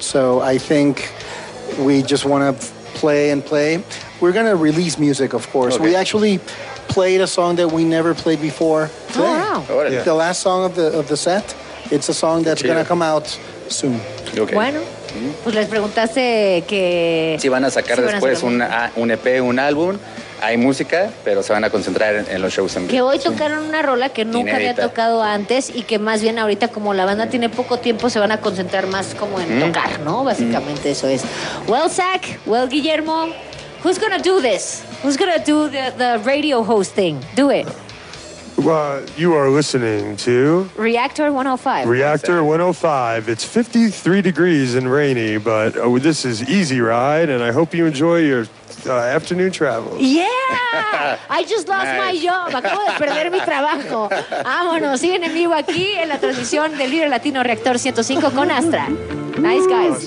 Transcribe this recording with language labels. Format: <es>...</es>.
<en>So I think we just want to play. We're going to release music, of course. Okay. We actually played a song that we never played before today. Oh, wow. The last song of the set. It's a song that's going to come out soon.</en> <es>Okay. Bueno. Pues les preguntaste que... Si van a sacar después un EP, un álbum. Hay música, pero se van a concentrar en los shows en vivo. Que hoy tocaron una rola que nunca inédita. Había tocado antes, y que más bien ahorita, como la banda tiene poco tiempo, se van a concentrar más como en tocar, ¿no?</es> <en>Básicamente eso es. Well, Zach, well, Guillermo, who's gonna do this? Who's gonna do the radio host thing? Do it. Well, you are listening to... Reactor 105. Reactor 105. It's 53 degrees and rainy, but this is Easy Ride, and I hope you enjoy your afternoon travels. Yeah! I just lost my job.</en> <es>Acabo de perder mi trabajo. Vámonos. Siguen en vivo aquí en la transmisión del Vive Latino Reactor 105 con Astra.</es> <en>Nice, guys.</en>